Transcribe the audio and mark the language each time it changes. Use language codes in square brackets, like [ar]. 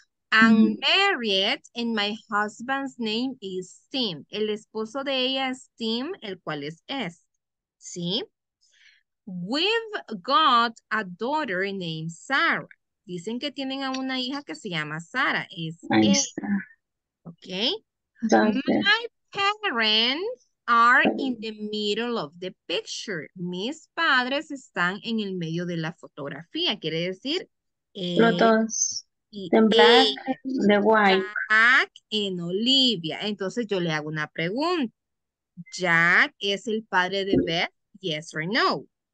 [en] I'm married and my husband's name is Tim. [es] El esposo de ella es Tim, el cual es. ¿Sí? [en] We've got a daughter named Sarah. [es] Dicen que tienen a una hija que se llama Sarah. Es ella. ¿Ok? [en] My parents are in the middle of the picture. [es] Mis padres están en el medio de la fotografía. Quiere decir, los dos. [en] The white. [es] Jack en Olivia. Entonces yo le hago una pregunta. ¿Jack es el padre de Beth? [en] Yes or no?